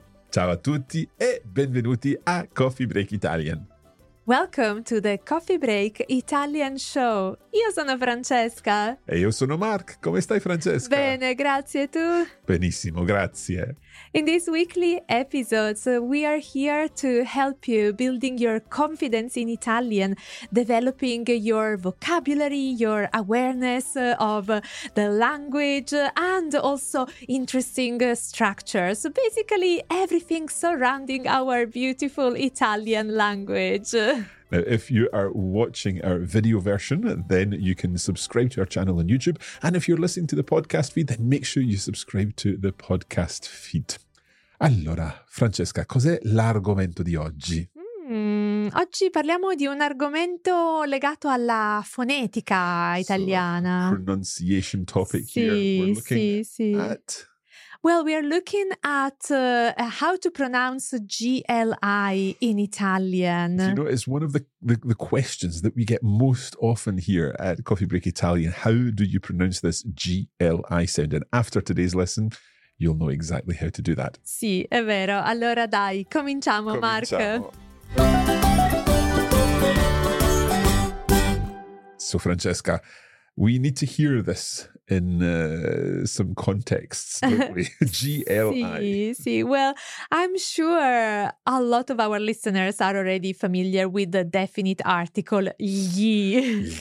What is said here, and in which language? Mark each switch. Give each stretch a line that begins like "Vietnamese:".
Italian: Ciao a tutti e benvenuti a Coffee Break Italian.
English: Welcome to the Coffee Break Italian Show.
Italian: Io sono Francesca. E io sono Mark. Come stai, Francesca? Bene, grazie. Tu? Benissimo, grazie.
English: In these weekly episodes, we are here to help you building your confidence in Italian, developing your vocabulary, your awareness of the language, and also interesting structures. Basically, everything surrounding our beautiful Italian language. Now, if you are watching our video version, then you can subscribe to our channel on YouTube. And if you're listening to the podcast feed, then make sure you subscribe to the podcast feed.
Italian: Allora, Francesca, cos'è l'argomento di oggi? Oggi parliamo di un argomento legato alla fonetica italiana.
English: So, pronunciation topic
Italian: sì,
English: here. We're looking sì, sì. At... Well, we are looking at how to pronounce GLI in Italian. You know, it's one of the questions that we get most often here at Coffee Break Italian. How do you pronounce this GLI sound? And after today's lesson, you'll know exactly how to do that.
Italian: Sì, è vero. Allora dai, cominciamo, Mark.
English: So, Francesca, we need to hear this. In some contexts, GLI.
Italian: Sì, sì.
English: Well, I'm sure a lot of our listeners are already familiar with the definite article gli.